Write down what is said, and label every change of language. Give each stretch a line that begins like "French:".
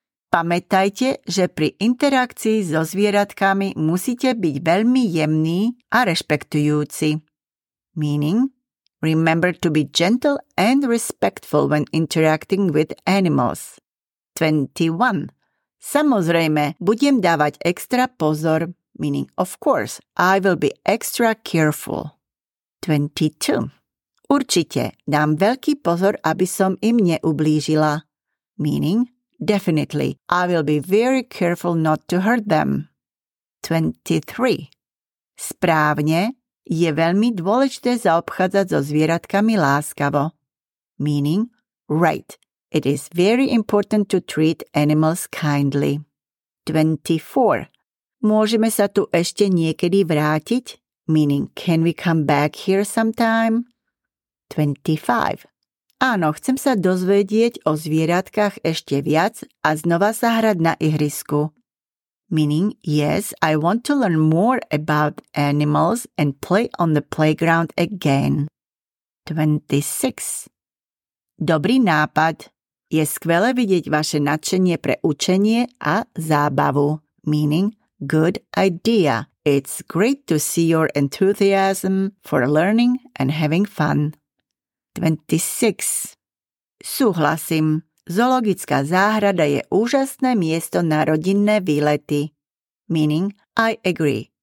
Slovak: Pamätajte, že pri interakcii so zvieratkami musíte byť veľmi jemný a rešpektujúci.
English: Meaning, remember to be gentle and respectful when interacting with animals. 21.
Slovak: Samozrejme, budem dávať extra pozor.
English: Meaning, of course, I will be extra careful. 22.
Slovak: Určite, dám veľký pozor, aby som im neublížila.
English: Meaning, definitely, I will be very careful not to hurt them. 23.
Slovak: Správne, je veľmi dôležité zaobchádzať so zvieratkami láskavo.
English: Meaning, right, it is very important to treat animals kindly. 24.
Slovak: Môžeme sa tu ešte niekedy vrátiť?
English: Meaning, can we come back here sometime? 25.
Slovak: Áno, chcem sa dozvedieť o zvieratkách ešte viac a znova sa hrať na ihrisku.
English: Meaning, yes, I want to learn more about animals and play on the playground again.
Slovak: 26. Dobrý nápad. Je skvelé vidieť vaše nadšenie pre učenie a zábavu.
English: Meaning, good idea. It's great to see your enthusiasm for learning and having fun.
Slovak: 26. Súhlasím. Zoologická záhrada je úžasné miesto na rodinné výlety.
English: Meaning, I agree.